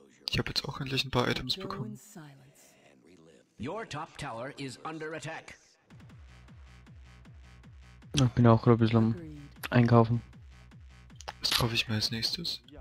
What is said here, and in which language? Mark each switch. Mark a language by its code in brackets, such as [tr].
[de] Ich habe jetzt auch endlich ein paar Items bekommen. [en] Your top tower is under attack. [de] Ich bin auch gerade ein bisschen am Einkaufen. Was kaufe ich mir als nächstes?